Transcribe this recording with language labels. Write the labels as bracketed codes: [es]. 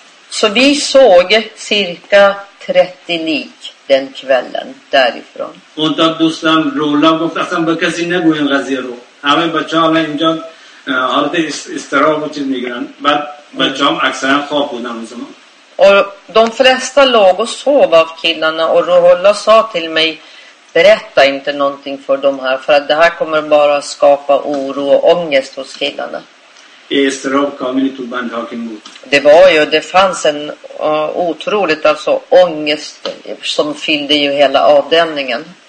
[sv] Så vi såg cirka 30 lik den kvällen därifrån. [fa] همه بچه ها اینجا حالت استراب و چیز میگرن بعد بچه هم اکثرا خواب بودن [sv] و de flesta låg och sov av killarna och Rohulla sa till mig berätta inte någonting för dem här för att det här kommer bara skapa oro och ångest hos killarna. [fa] استراب کاملی تو بند حاکم بود. [sv] Det var ju, det fanns en otroligt alltså ångest som fyllde ju hela avdelningen.